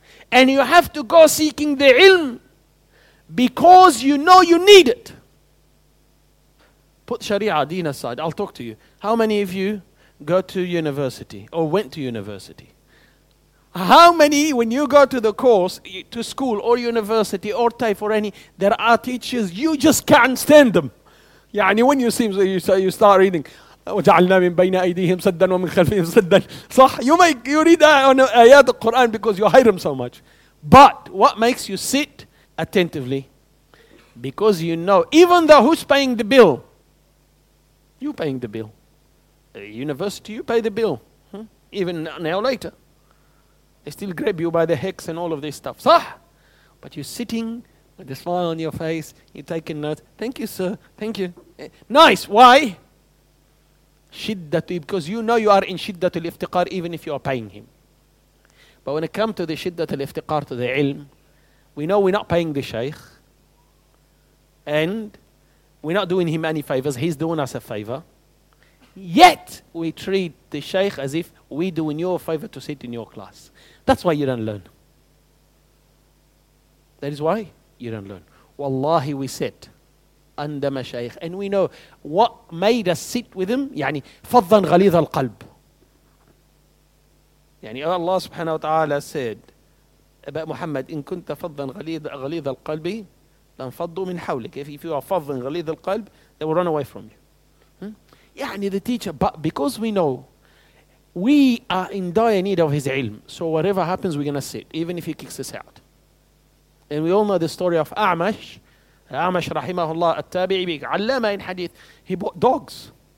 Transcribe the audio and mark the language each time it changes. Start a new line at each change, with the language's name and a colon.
English: And you have to go seeking the ilm because you know you need it. Put Sharia deen aside. I'll talk to you. How many of you go to university or went to university? How many, when you go to the course, to school or university or TAFE or any, there are teachers, you just can't stand them.
Arabic: يعني
English: when you see, you start reading,
Arabic: وَجَعَلْنَا مِنْ بَيْنَ أَيْدِيهِمْ سَدًّا وَمِنْ خَلْفِهِمْ سَدًّا. صح?
English: You make, you read ayat al-Quran because you hate them so much. But what makes you sit attentively? Because you know, even though who's paying the bill? You're paying the bill. University, you pay the bill. Even now later. They still grab you by the hex and all of this stuff.
Arabic: صح?
English: But you're sitting with a smile on your face. You're taking notes. Thank you, sir. Thank you. Nice. Why? Shiddatu, because you know you are in shiddatu al-iftiqar even if you are paying him. But when it comes to the shiddatu al-iftiqar, to the ilm, we know we're not paying the shaykh. And we're not doing him any favors. He's doing us a favor. Yet, we treat the shaykh as if we're doing you a favor to sit in your class. That's why you don't learn. That is why you don't learn. Wallahi, we sit under my shaykh. And we know what made us sit with him.
Arabic: يعني فضًا غليظ القلب. يعني Allah subhanahu wa ta'ala said, Aba Muhammad, إن كنت فضًا غليظ القلب لنفضوا من حولك.
English: If you are
Arabic: فضًا غليظ القلب,
English: they will run away from you.
Arabic: يعني
English: the teacher, but because we know, we are in dire need of his ilm. So whatever happens, we're going to sit, even if he kicks us out. And we all know the story of A'mash. A'mash, rahimahullah, at-tabi'i bi allama in hadith. He bought dogs.